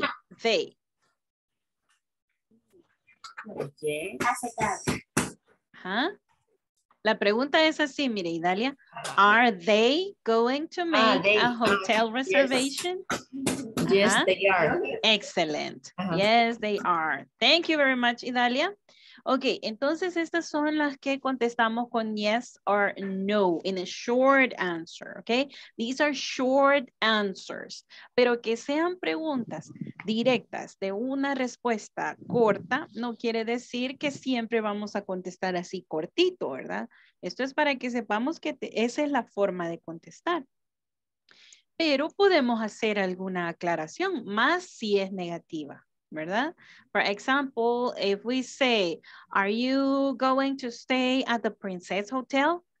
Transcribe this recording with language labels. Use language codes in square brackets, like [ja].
[en] Yes. [es] Huh? La pregunta es así, mire, Idalia. [en] Are they going to make a hotel reservation? Yes, uh-huh. They are. Excellent. Uh-huh. Yes, they are. Thank you very much, Idalia. [es] Ok, entonces estas son las que contestamos con [en] yes or no, in a short answer, [es] ok? [en] These are short answers, [es] pero que sean preguntas directas de una respuesta corta, no quiere decir que siempre vamos a contestar así cortito, ¿verdad? Esto es para que sepamos que esa es la forma de contestar. Pero podemos hacer alguna aclaración, más si es negativa. ¿Verdad? [en] For example, if we say, are you going to stay at the Princess Hotel?